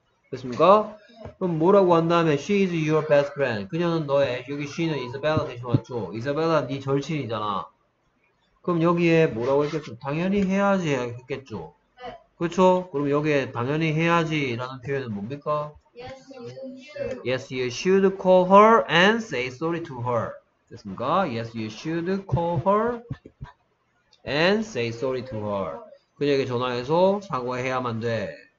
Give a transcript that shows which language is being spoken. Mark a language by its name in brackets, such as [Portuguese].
[Korean] 됐습니까? 그럼 뭐라고 한 다음에 [English] she is your best friend. [Korean] 그녀는 너의, 여기 she는 이사벨라 대신 왔죠. 이사벨라 네 절친이잖아. 그럼 여기에 뭐라고 했겠죠? 당연히 해야지 했겠죠. 그렇죠? 그럼 여기에 당연히 해야지라는 표현은 뭡니까? [English] Yes, you should call her and say sorry to her. [Korean] 됐습니까? [English] Yes, you should call her and say sorry to her. [Korean] 그녀에게 전화해서 사과해야만 돼.